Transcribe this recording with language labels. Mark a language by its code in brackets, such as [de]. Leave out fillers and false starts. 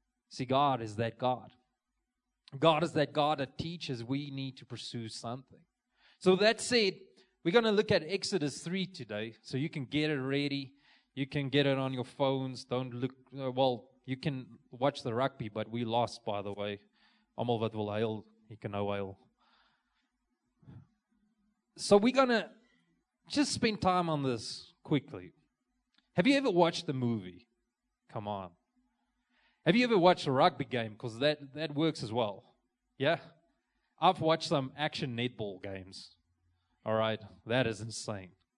[en] See, God is that God. God is that God that teaches we need to pursue something. So that said, we're going to look at Exodus 3 today, so you can get it ready. You can get it on your phones. Don't look, well, you can watch the rugby, but we lost, by the way. [af] Almal wat wil huil, jy kan nou huil. [en] So we're going to just spend time on this quickly. Have you ever watched the movie? Come on. Have you ever watched a rugby game? Because that works as well. Yeah? I've watched some action netball games. All right? That is insane.